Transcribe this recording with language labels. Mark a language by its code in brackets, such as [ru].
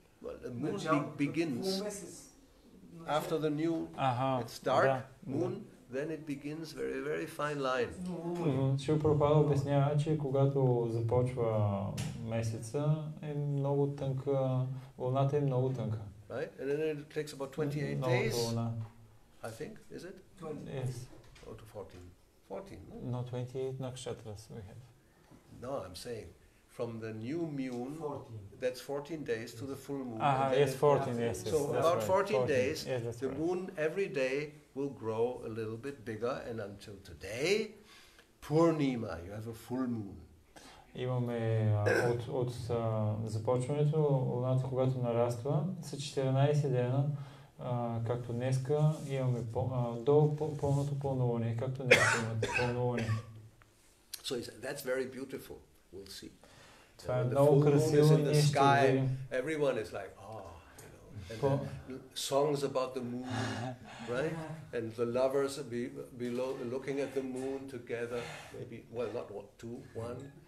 [en] Well, the moon begins after the new, it's dark, moon. Then it begins very, very fine line. [bg] Шрила Прабхупада обяснява, че когато започва месеца, е много тънка, луната е много тънка. [en] Right? And then it takes about 28 days. I think, is it? 20. Yes. Or to 14. 14. No, 28 nakshatras we have. No, I'm saying from the new moon, 14. That's 14 days to the full moon. Yes, 14, yes. So about 14 days, yes, the moon every day will grow a little bit bigger, and until today, Purnima, you have a full moon. [bg] Имаме от започването, луната, когато нараства, са 14 дена, както днеска, имаме до пълното пълнолуние, както днеска имаме пълнолуние. [en] So he said, that's very beautiful, we'll see. [bg] Това е много красиво, [en] in the sky, everyone is like, oh, you know, songs about the moon, right? And the lovers below looking at the moon together, maybe, well, not what, two, one.